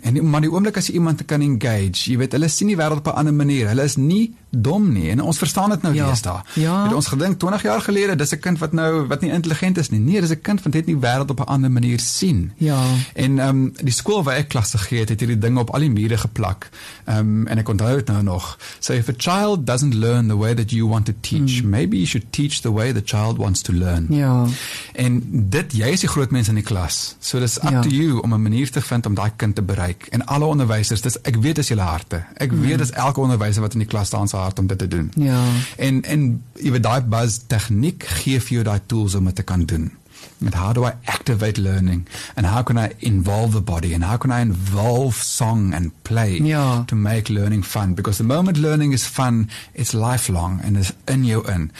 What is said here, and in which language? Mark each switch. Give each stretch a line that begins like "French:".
Afrikaans: En, maar die oomblik as jy iemand kan engage, jy weet, hulle sien die wêreld op 'n ander manier, hulle is nie dom nie, en ons verstaan dit nou ja. deesdae. Ja. Het ons gedink 20 jaar gelede, dis 'n kind wat nou wat nie intelligent is nie. Nee, dis 'n kind wat het nie wêreld op 'n ander manier sien. Ja. En die skool waar ek klasse gegee het, het hierdie dinge op al die mure geplak. En ek onthou dit nou nog.
English: So if a child doesn't learn the way that you want to teach, maybe you should teach the way the child wants to learn.
Afrikaans: Ja. En dit, jy is die groot mens in die klas. So dis up ja.
English: to you
Afrikaans: om 'n manier te vind om daai kind te bereik. En alle onderwysers, dis ek weet as julle harte. Ek weet as elke onderwyser wat in die klas staan se hart om dit te doen. Ja. En jy weet daai buzz tegniek gee vir jou daai tools om dit te kan doen.
English: And how do I activate learning? And how can I involve the body? And how can I involve song and play
Afrikaans: ja.
English: to make learning fun? Because the moment learning is fun, it's lifelong and is in you in.